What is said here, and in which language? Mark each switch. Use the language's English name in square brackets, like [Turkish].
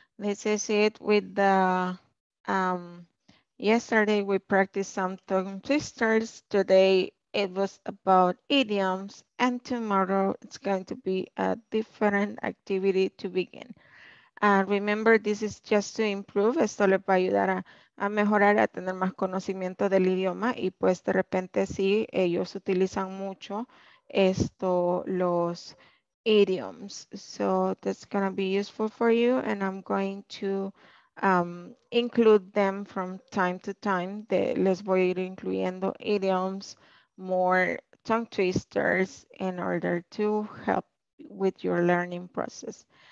[English] This is it with the yesterday we practiced some tongue twisters. Today it was about idioms, and tomorrow it's going to be a different activity to begin. Remember, this is just to improve. [Spanish] Esto les va a ayudar a mejorar, a tener más conocimiento del idioma. Y pues de repente sí, ellos utilizan mucho esto, los idioms. [English] So that's going to be useful for you, and I'm going to include them from time to time. [Spanish] Les voy a ir incluyendo idioms, [English] more tongue twisters, in order to help with your learning process.